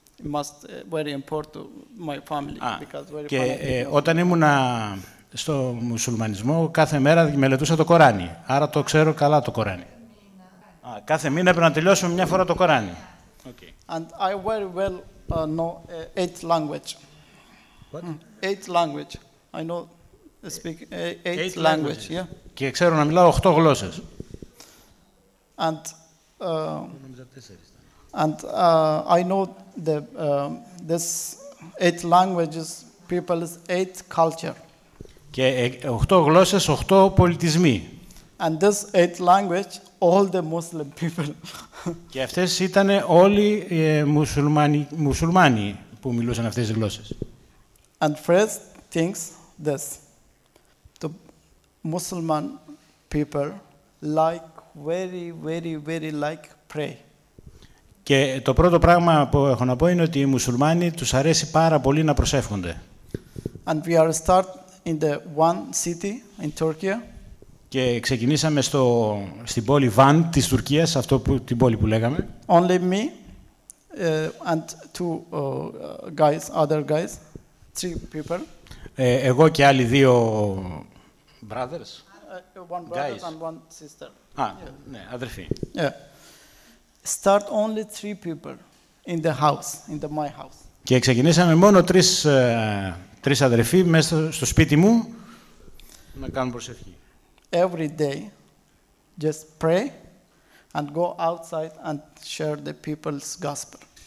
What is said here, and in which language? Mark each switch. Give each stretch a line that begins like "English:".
English: Must very important to my family because very
Greek: και όταν ήμουν στο μουσουλμανισμό, κάθε μέρα μελετούσα το Κοράνι. Άρα το ξέρω καλά το Κοράνι. Κάθε μήνα πρέπει να τελειώσουμε μια φορά το Κοράνι.
English: Okay. And I very well know eight language. What? Eight language. I know speak eight language. Yeah.
Greek: Και ξέρω να μιλάω 8 γλώσσες.
English: And I know the this 8 languages, people's 8 culture.
Greek: Και 8 γλώσσες, 8 πολιτισμοί.
English: And this 8 language, all the Muslim people.
Greek: Και αυτές ήταν όλοι οι μουσουλμάνοι που μιλούσαν αυτές τις γλώσσες.
English: And first things this. The Muslim people like very, very, very like pray.
Greek: Και το πρώτο πράγμα που έχω να πω είναι ότι οι μουσουλμάνοι τους αρέσει πάρα πολύ να προσεύχονται.
English: And we are start in the one city in Turkey.
Greek: Και ξεκινήσαμε στην πόλη Van της Τουρκίας, αυτό που, την πόλη που λέγαμε.
English: Only me and two guys, other guys, three people.
Greek: Εγώ και άλλοι δύο brothers.
English: One brother guys. And one sister.
Greek: Ναι, αδερφοί.
English: Yeah. Start only three people in the house, in the my house.
Greek: Και ξεκινήσαμε μόνο τρεις αδερφοί μέσα στο σπίτι μου να κάνουν προσευχή.
English: Every day, just pray and go outside and share the people's gospel.